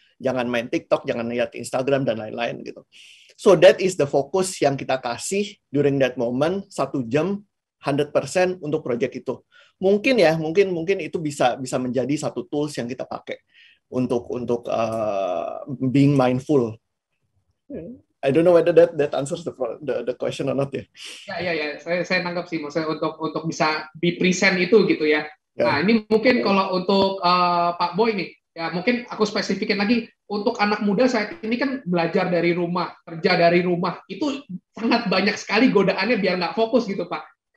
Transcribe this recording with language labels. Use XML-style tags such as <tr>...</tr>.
<id>Jangan main TikTok, jangan lihat Instagram dan lain-lain gitu.</id> <en>So that is the focus</en> <id>yang kita kasih</id> <en>during that moment</en> <id>1 jam 100% untuk project itu. Mungkin ya, mungkin itu bisa menjadi satu tools yang kita pakai untuk</id> <en>being mindful. I don't know whether that answers the question or not ya.</en> <id>Ya, saya nangkap sih, maksudnya untuk bisa</id> <en>be present</en> <id>itu gitu ya. Yeah. Nah ini mungkin kalau untuk Pak Boy nih, ya mungkin aku spesifikin lagi untuk anak muda saat ini kan belajar dari rumah, kerja dari rumah itu sangat banyak sekali godaannya biar nggak fokus gitu Pak.</id>